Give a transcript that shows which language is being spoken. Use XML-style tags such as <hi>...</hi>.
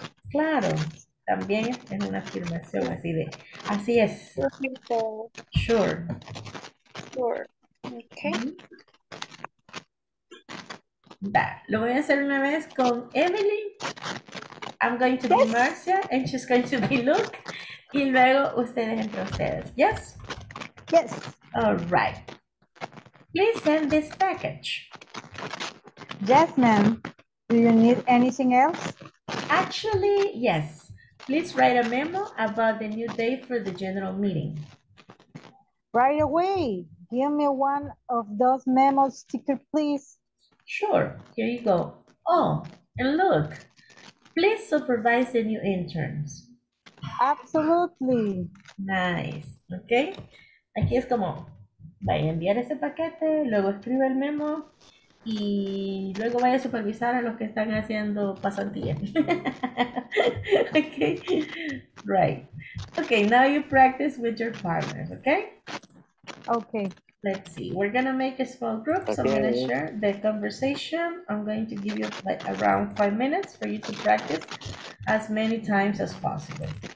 <es>Claro, también es una afirmación así de, así es.</es> <en>Sure. Okay.</en> <es>Lo voy a hacer una vez con Emily.</es> <en>I'm going to be Marcia and she's going to be Luke.</en> <es>Y luego ustedes entre ustedes. Yes?</es> <en>Yes. All right. Please send this package. Yes, ma'am. Do you need anything else? Actually, yes. Please write a memo about the new day for the general meeting. Right away. Give me one of those memo stickers, please. Sure, here you go. Oh, and look, please supervise the new interns. Absolutely. Nice, okay.</en> <es>Aquí es como, vaya a enviar ese paquete, luego escribe el memo, y luego vaya a supervisar a los que están haciendo pasantía.</es> <en>Okay, right. Okay, now you practice with your partners, okay? Okay. Let's see, we're gonna make a small group, so okay. I'm gonna share the conversation. I'm going to give you like around 5 minutes for you to practice as many times as possible.</en>